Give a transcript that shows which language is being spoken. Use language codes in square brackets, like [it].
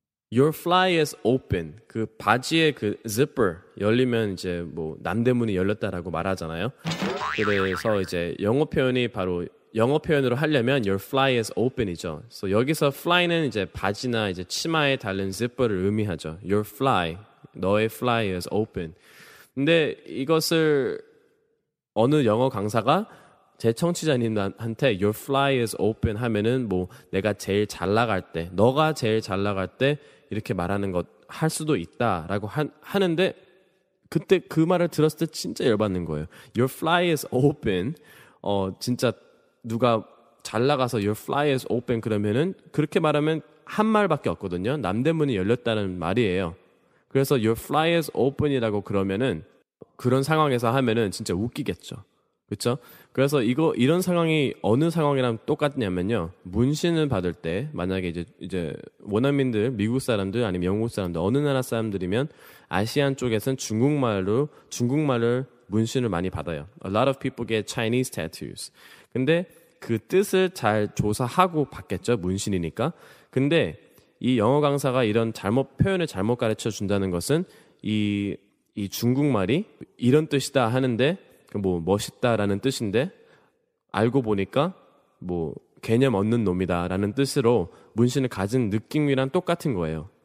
[en] Your fly is open. [ko] 그 바지의 그 zipper 열리면 이제 뭐 남대문이 열렸다라고 말하잖아요. 그래서 이제 영어 표현이 바로 영어 표현으로 하려면 [en] your fly is open [ko] 이죠. So 여기서 fly는 이제 바지나 이제 치마에 달린 zipper를 의미하죠. [en] Your fly, [ko] 너의 [en] fly is open. [ko] 근데 이것을 어느 영어 강사가 제 청취자님한테 [en] your fly is open [ko] 하면은 뭐 내가 제일 잘 나갈 때, 너가 제일 잘 나갈 때 이렇게 말하는 것 할 수도 있다라고 하는데, 그때 그 말을 들었을 때 진짜 열받는 거예요. [en] Your fly is open. [ko] 진짜 누가 잘 나가서 [en] your fly is open [ko] 그러면은 그렇게 말하면 한 말밖에 없거든요. 남대문이 열렸다는 말이에요. 그래서 [en] your fly is open [ko] 이라고 그러면은 그런 상황에서 하면은 진짜 웃기겠죠. 그렇죠? 그래서 이런 상황이 어느 상황이랑 똑같냐면요. 문신을 받을 때, 만약에 이제 원어민들, 미국 사람들 아니면 영국 사람들, 어느 나라 사람들이면 아시안 쪽에서는 중국말을 문신을 많이 받아요. [en] A lot of people get Chinese tattoos. [ko] 근데 그 뜻을 잘 조사하고 받겠죠. 문신이니까. 근데 이 영어 강사가 이런 표현을 잘못 가르쳐 준다는 것은 이 중국말이 이런 뜻이다 하는데, 뭐 멋있다라는 뜻인데 알고 보니까 뭐 개념 없는 놈이다 라는 뜻으로 문신을 가진 느낌이랑 똑같은 거예요.